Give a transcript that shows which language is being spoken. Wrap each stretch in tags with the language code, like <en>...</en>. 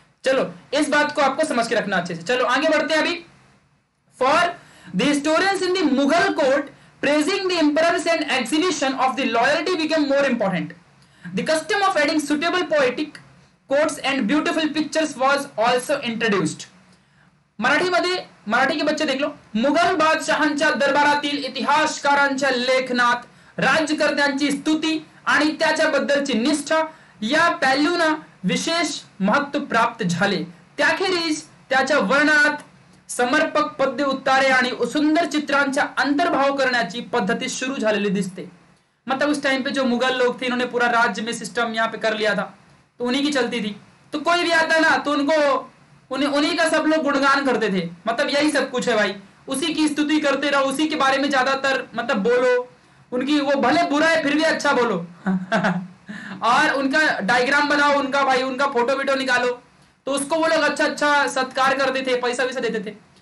<hi>चलो इस बात को आपको समझ के रखना अच्छे से. चलो आगे बढ़ते हैं.</hi> <en>अभी for the historians in the Mughal court praising the emperors and exhibition of the loyalty became more important. The custom of adding suitable poetic quotes and beautiful pictures was also introduced.</en> <mr>Marathi मध्ये,</mr> <hi>मराठी के बच्चे देख लो,</hi> <mr>मुगल बादशहांच्या दरबारातील इतिहासकारांच्या लेखनात राज्यकर्त्यांची स्तुती आणि त्याच्याबद्दलची निष्ठा या पैलूना विशेष महत्व प्राप्त झाले. त्याखेरीज त्याच्या वर्णनात समर्पक पद्य उतारे आणि सुंदर चित्रांचा अंतर्भाव करण्याची पद्धती सुरू झालेली दिसते.</mr> <hi>मतलब उस टाइम पे जो मुगल लोग थे, इन्होंने पूरा राज्य में सिस्टम यहाँ पे कर लिया था, तो उन्हीं की चलती थी, तो कोई भी आता ना तो उनको उन्हीं का सब लोग गुणगान करते थे. मतलब यही सब कुछ है भाई, उसी की स्तुति करते रहो, उसी के बारे में ज्यादातर मतलब बोलो, उनकी वो भले बुरा है फिर भी अच्छा बोलो और उनका डायग्राम बनाओ उनका भाई, उनका फोटो वीडियो निकालो, तो उसको वो लोग अच्छा अच्छा सत्कार करते थे, पैसा वैसा देते थे.</hi>